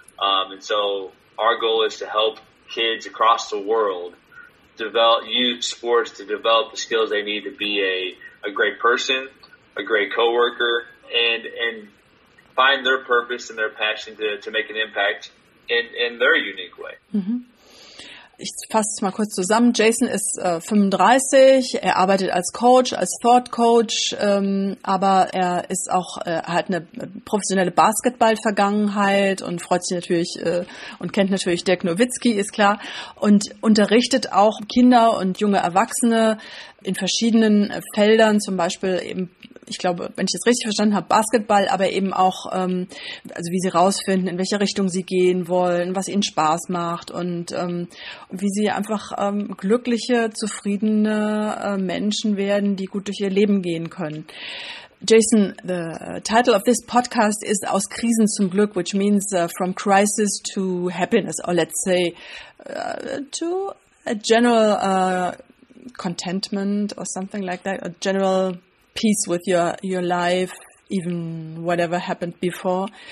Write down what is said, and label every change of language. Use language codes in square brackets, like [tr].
[en] And so our goal is to help kids across the world use sports to develop the skills they need to be a great person, a great coworker, and find their purpose and their passion to make an impact in their unique way. [de] Ich fasse es mal kurz zusammen. Jason ist 35, er arbeitet als Coach, als Thought Coach, aber er ist auch hat eine professionelle Basketball-Vergangenheit und freut sich natürlich und kennt natürlich Dirk Nowitzki, ist klar, und unterrichtet auch Kinder und junge Erwachsene in verschiedenen Feldern, zum Beispiel eben, ich glaube, wenn ich das richtig verstanden habe, Basketball, aber eben auch, also wie sie rausfinden, in welche Richtung sie gehen wollen, was ihnen Spaß macht und wie sie einfach glückliche, zufriedene Menschen werden, die gut durch ihr Leben gehen können. [en] Jason, the title of this podcast is Aus Krisen zum Glück, which means From Crisis to Happiness, or let's say to a general contentment or something like that, a general peace with your life, even whatever happened before.